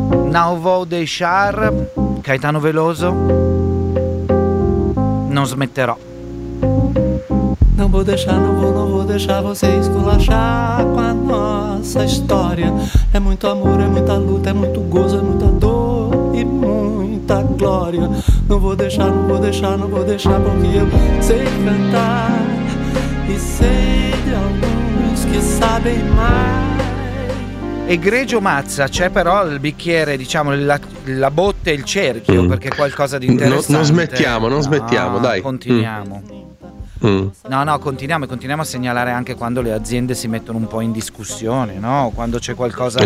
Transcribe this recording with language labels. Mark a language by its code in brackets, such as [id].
[it] Now Vaux de Char, Caetano Veloso, Non smetterò. [pt] Não vou deixar, não vou deixar você esculachar com a nossa história. É muito amor, é muita luta, é muito gozo, é muita dor e muita glória. Não vou deixar, não vou deixar, não vou deixar, porque eu sei cantar e sei de alguns que sabem mais. [it] Egregio Mazza, c'è però il bicchiere, diciamo, la botte e il cerchio, perché è qualcosa di interessante. Non smettiamo, dai. Continuiamo. Continuiamo a segnalare anche quando le aziende si mettono un po' in discussione, no? Quando c'è qualcosa,